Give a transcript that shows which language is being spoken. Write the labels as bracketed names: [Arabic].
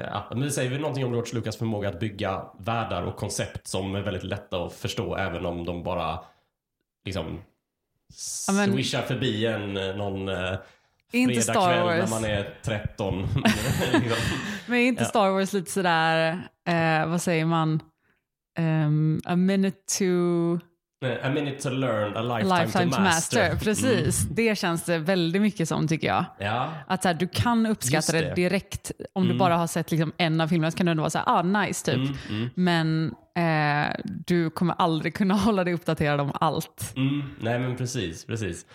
[Swedish] Men det säger väl någonting om George Lucas förmåga att bygga världar och koncept som är väldigt lätta att förstå, även om de bara liksom swishar förbi en någon fredagkväll när man är 13. Men är inte Star Wars lite sådär, vad säger man, [English] a minute to learn, a lifetime to master. [Swedish] Precis, det känns det väldigt mycket som, tycker jag. Ja. Att så här, du kan uppskatta det direkt om du bara har sett liksom en av filmerna, så kan du ändå vara så här, nice typ. Mm. Men du kommer aldrig kunna hålla dig uppdaterad om allt. Mm. Nej, men precis.